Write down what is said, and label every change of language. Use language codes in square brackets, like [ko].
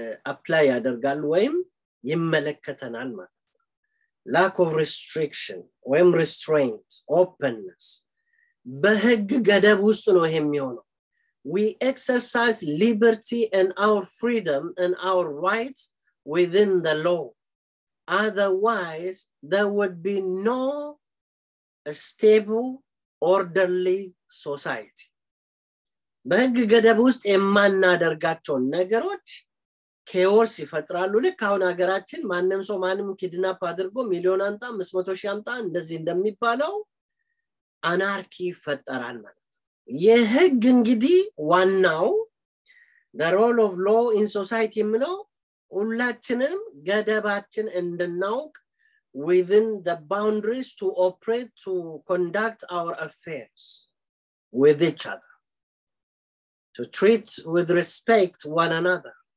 [am] አፕላይ ያደርጋል ወይም ይመለከተናል ማለት [en] lack of restriction ወይም restraint openness [am] በህግ ገደብ ውስጥ ነው ይሄ የሚሆነው [en] We exercise liberty and our freedom and our rights within the law. Otherwise, there would be no stable, orderly society. [am] በህግ ገደብ ውስጥ የማናደርጋቸው ነገሮች ኬኦስ ይፈጥራሉ። ለካውን ሀገራችን ማንንም ሰው ማንንም ኪድናፕ አድርጎ ሚሊዮን አንጣ 500 ሺህ አንጣ እንደዚህ እንደሚባለው አናርኪ ይፈጠራል ማለት የህግ እንግዲህ ዋናው [en] the role of law in society [am] ነው ሁላችንም ገደባችን እንድናውቅ [en] within the boundaries to operate to conduct our affairs with each other to treat with respect one another